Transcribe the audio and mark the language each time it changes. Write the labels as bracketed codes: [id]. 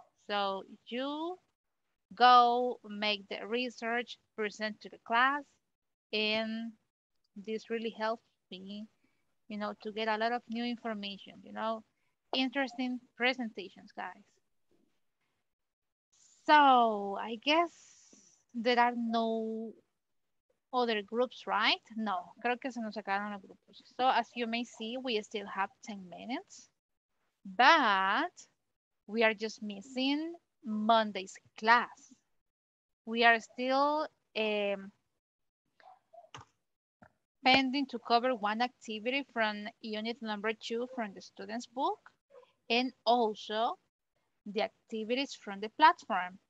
[en] So you go make the research, present to the class, and this really helped me, you know, to get a lot of new information, you know, interesting presentations, guys. So I guess there are no other groups, right? [es] No, creo que se nos acabaron los grupos. [en] So as you may see, we still have 10 minutes, but we are just missing Monday's class. We are still pending to cover one activity from unit number 2 from the student's book, and also the activities from the platform.